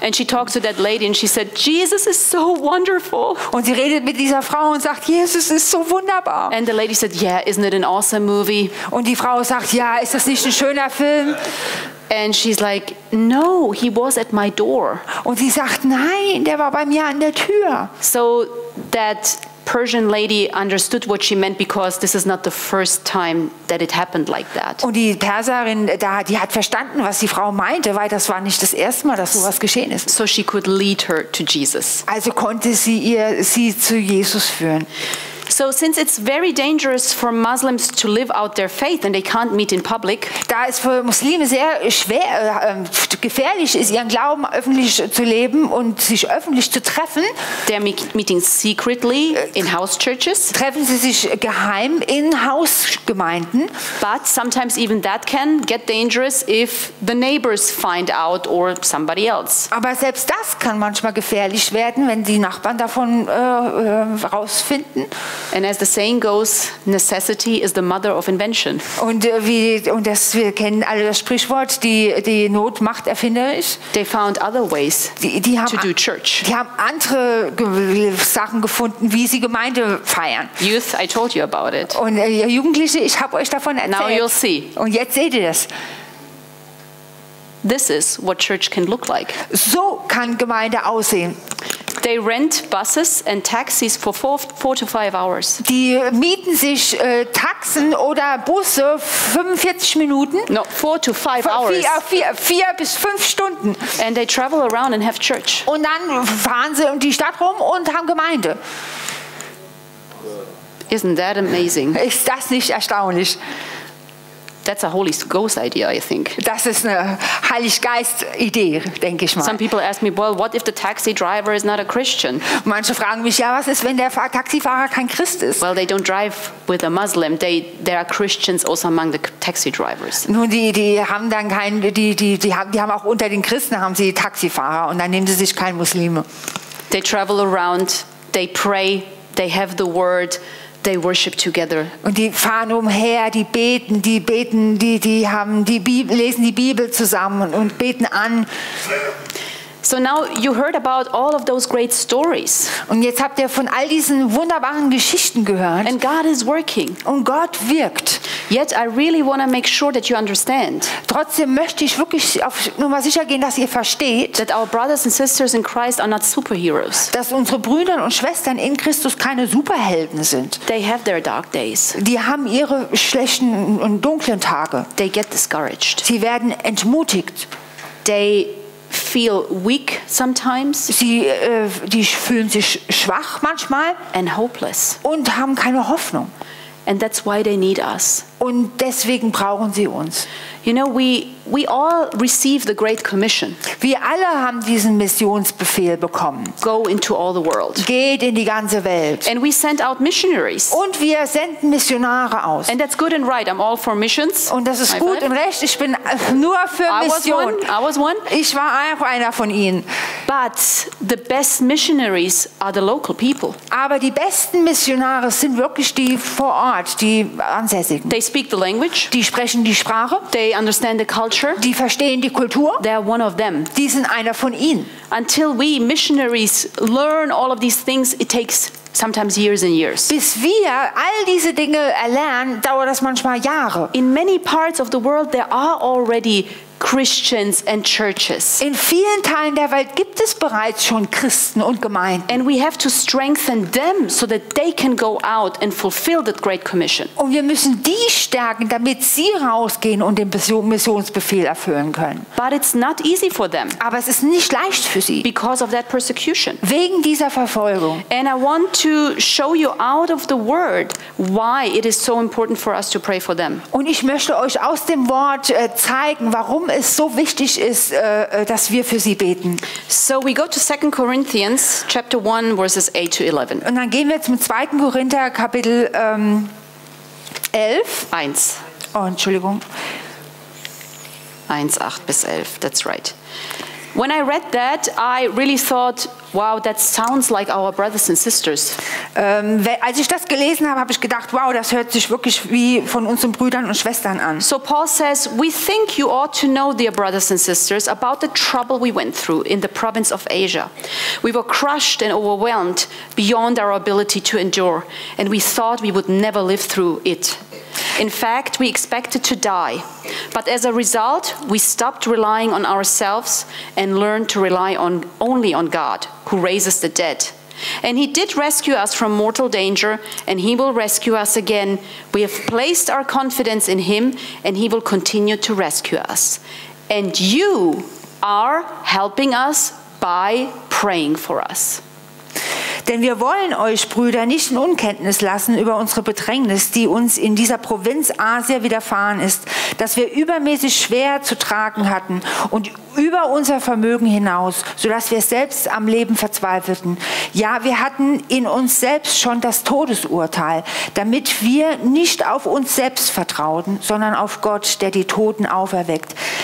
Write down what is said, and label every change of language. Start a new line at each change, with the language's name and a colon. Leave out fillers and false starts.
English: And she talks to that lady and she said Jesus is so wonderful.
German: Und sie redet mit dieser Frau und sagt Jesus ist so wunderbar.
English: And the lady said yeah, isn't it an awesome movie?
German: Und die Frau sagt ja, ist das nicht ein schöner Film?
English: And she's like no, he was at my door.
German: Und sie sagt nein, der war bei mir an der Tür.
English: So that Persian lady understood what she meant because this is not the first time that it happened like that.
German: Und die Perserin da, die hat verstanden, was die Frau meinte, weil das war nicht das erste Mal, dass sowas geschehen ist.
English: So she could lead her to Jesus.
German: Also konnte sie sie zu Jesus führen.
English: So since it's very dangerous for Muslims to live out their faith and they can't meet in public,
German: da es für Muslime sehr schwer gefährlich ist, ihren Glauben öffentlich zu leben und sich öffentlich zu treffen,
English: they're meeting secretly in house churches,
German: treffen sie sich geheim in Hausgemeinden,
English: but sometimes even that can get dangerous if the neighbors find out or somebody else.
German: Aber selbst das kann manchmal gefährlich werden, wenn die Nachbarn davon rausfinden.
English: And as the saying goes, necessity is the mother of invention.
German: Und das, wir kennen alle das Sprichwort, die Not macht erfinderisch.
English: They found other ways to do church.
German: Die haben andere Sachen gefunden, wie sie Gemeinde feiern.
English: Youth, I told you about it.
German: Und ihr Jugendliche, ich habe euch davon erzählt.
English: Now you'll see.
German: Und jetzt seht ihr das.
English: This is what church can look like.
German: So kann Gemeinde aussehen.
English: They rent buses and taxis for 4 to 5 hours.
German: Die mieten sich Taxen oder Busse 45 Minuten.
English: No, 4 to 5 hours.
German: Vier bis fünf Stunden.
English: And they travel around and have church.
German: Und dann fahren sie um die Stadt rum und haben Gemeinde.
English: Isn't that amazing?
German: Ist das nicht erstaunlich?
English: That's a Holy Ghost idea, I think.
German: Das ist eine Heiliggeist-Idee, denke ich mal.
English: Some people ask me, well, what if the taxi driver is not a Christian?
German: Manche fragen mich, ja, was ist, wenn der Taxifahrer kein Christ ist?
English: Well, they don't drive with a Muslim. There are Christians also among the taxi drivers.
German: Nun, die haben dann keinen, die haben auch unter den Christen haben sie Taxifahrer und dann nehmen sie sich keinen Muslime.
English: They travel around, they pray, they have the word. They worship together.
German: Und die fahren umher, die beten, die lesen die Bibel zusammen und beten an.
English: So now you heard about all of those great stories.
German: Und jetzt habt ihr von all diesen wunderbaren Geschichten gehört.
English: And God is working.
German: Und Gott wirkt.
English: Yet I really want to make sure that you understand.
German: Trotzdem möchte ich wirklich auf Nummer sicher gehen, dass ihr versteht.
English: That our brothers and sisters in Christ are not superheroes.
German: Dass unsere Brüder und Schwestern in Christus keine Superhelden sind.
English: They have their dark days.
German: Die haben ihre schlechten und dunklen Tage.
English: They get discouraged.
German: Sie werden entmutigt.
English: They feel weak sometimes.
German: Die fühlen sich schwach manchmal.
English: And hopeless.
German: Und haben keine Hoffnung.
English: And that's why they need us.
German: Und deswegen brauchen sie uns.
English: You know, we all receive the Great Commission.
German: Wir alle haben diesen Missionsbefehl bekommen.
English: Go into all the world.
German: Geht in die ganze Welt.
English: And we send out missionaries.
German: Und wir senden Missionare aus.
English: And that's good and right. I'm all for missions.
German: Und das ist High gut five. Und recht. Ich bin nur für Missionen.
English: I was one.
German: Ich war auch einer von ihnen.
English: But the best missionaries are the local people.
German: Aber die besten Missionare sind wirklich die vor Ort, die Ansässigen.
English: They speak the language.
German: Die sprechen die Sprache.
English: They understand the culture.
German: Die verstehen die Kultur.
English: They are one of them.
German: Die sind einer von ihnen.
English: Until we missionaries learn all of these things, it takes sometimes years and years.
German: Bis wir all diese Dinge erlernen, dauert das manchmal Jahre.
English: In many parts of the world there are already Christians and churches.
German: In vielen Teilen der Welt gibt es bereits schon Christen und Gemeinden.
English: And we have to strengthen them so that they can go out and fulfill the Great Commission.
German: Und wir müssen die stärken, damit sie rausgehen und den Missionsbefehl erfüllen können.
English: But it's not easy for them.
German: Aber es ist nicht leicht für sie.
English: Because of that persecution.
German: Wegen dieser Verfolgung.
English: And I want to show you out of the Word why it is so important for us to pray for them.
German: Und ich möchte euch aus dem Wort zeigen, warum es so wichtig ist, dass wir für sie beten.
English: So we go to 2 Corinthians chapter 1 verses 8 to 11.
German: Und dann gehen wir zum 2. Korinther Kapitel 11.
English: 1.
German: Oh, Entschuldigung. 1, 8 bis 11,
English: that's right. When I read that, I really thought, wow, that sounds like our brothers and sisters.
German: Als ich das gelesen habe, habe ich gedacht, wow, das hört sich wirklich wie von unseren Brüdern und Schwestern an.
English: So Paul says, we think you ought to know, dear brothers and sisters, about the trouble we went through in the province of Asia. We were crushed and overwhelmed beyond our ability to endure, and we thought we would never live through it. In fact, we expected to die. But as a result, we stopped relying on ourselves and learned to rely only on God, who raises the dead. And he did rescue us from mortal danger, and he will rescue us again. We have placed our confidence in him, and he will continue to rescue us. And you are helping us by praying for us.
German: Denn wir wollen euch, Brüder, nicht in Unkenntnis lassen über unsere Bedrängnis, die uns in dieser Provinz Asia widerfahren ist, dass wir übermäßig schwer zu tragen hatten und über unser Vermögen hinaus, sodass wir selbst am Leben verzweifelten. Ja, wir hatten in uns selbst schon das Todesurteil, damit wir nicht auf uns selbst vertrauten, sondern auf Gott, der die Toten auferweckt.